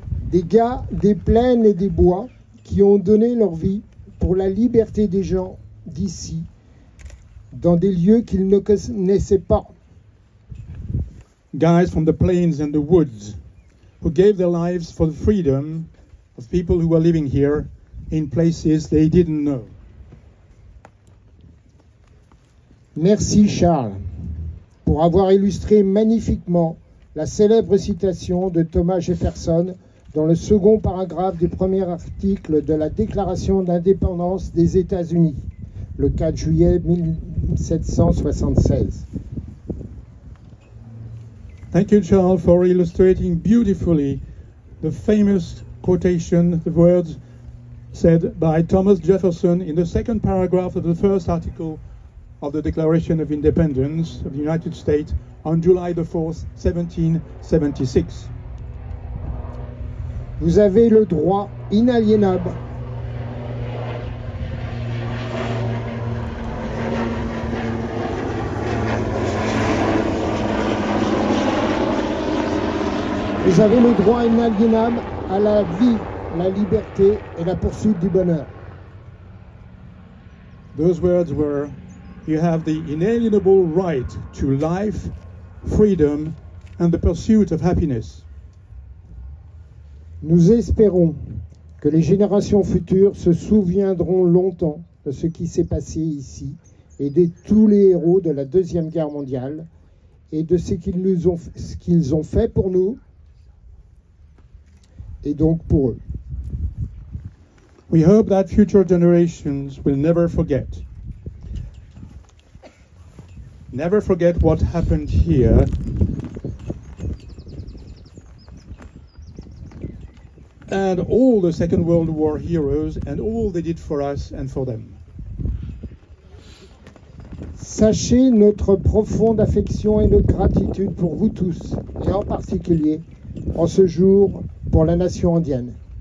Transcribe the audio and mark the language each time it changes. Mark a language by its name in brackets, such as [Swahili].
[French] Des gars des plaines et des bois qui ont donné leur vie pour la liberté des gens d'ici, dans des lieux qu'ils ne connaissaient pas. [English] Guys from the plains and the woods who gave their lives for the freedom of people who are living here in places they didn't know. [French] Merci Charles pour avoir illustré magnifiquement la célèbre citation de Thomas Jefferson dans le second paragraphe du premier article de la Déclaration d'indépendance des États-Unis, le 4 juillet 1776. [English] Thank you, Charles, for illustrating beautifully the famous quotation, the words said by Thomas Jefferson in the second paragraph of the first article of the Declaration of Independence of the United States on July the 4th, 1776. [French] Vous avez le droit inaliénable. Vous avez le droit inaliénable à la vie, la liberté et la poursuite du bonheur. [English] Those words were, you have the inalienable right to life, freedom and the pursuit of happiness. [French] Nous espérons que les générations futures se souviendront longtemps de ce qui s'est passé ici et de tous les héros de la Deuxième Guerre mondiale et de ce qu'ils ont fait pour nous et donc pour eux. [English] We hope that future generations will never forget. Never forget what happened here. And all the Second World War heroes and all they did for us and for them. [French] Sachez notre profonde affection et notre gratitude pour vous tous, et en particulier en ce jour pour la nation indienne.